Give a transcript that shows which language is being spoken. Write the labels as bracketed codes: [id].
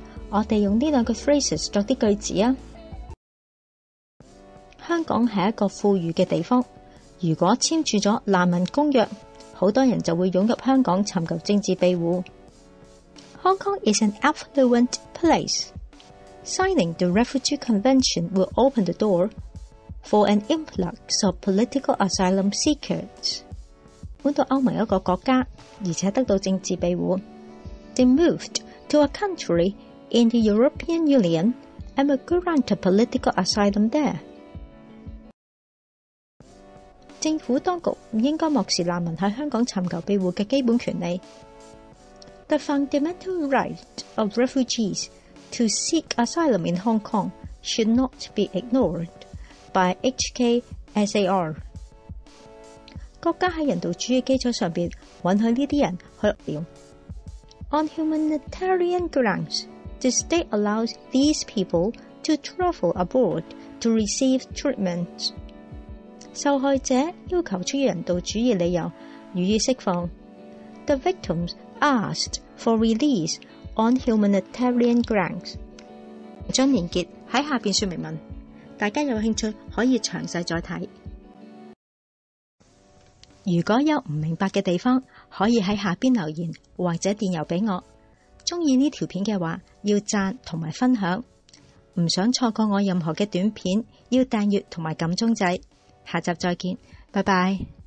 [yue] 我哋用呢两个 phrases 作啲句子啊。香港系一个富裕嘅地方，如果签署咗难民公约，好多人就会涌入香港寻求政治庇护。 [en] Hong Kong is an affluent place. Signing the Refugee Convention will open the door. For an influx of political asylum seekers， [yue] 搬到欧盟一个国家，而且得到政治庇护。 [en] They moved to a country in the European Union and were granted political asylum there。 [yue] 政府当局不应该漠视难民在香港寻求庇护的基本权利。 [en] The fundamental right of refugees to seek asylum in Hong Kong should not be ignored. By HKSAR， [yue] 国家在人道主义基础上面允许这些人去了。 [en] On humanitarian grounds, the state allows these people to travel abroad to receive treatment。 [yue] 受害者要求出于人道主义理由予以释放。 [en] The victims asked for release on humanitarian grounds。 [yue] 将连结在下面说明文，大家有兴趣可以详细再看。如果有不明白的地方，可以在下边留言或者电邮给我。喜欢这条片的话要赞和分享，不想错过我任何的短片要订阅和按钟仔。下集再见，拜拜。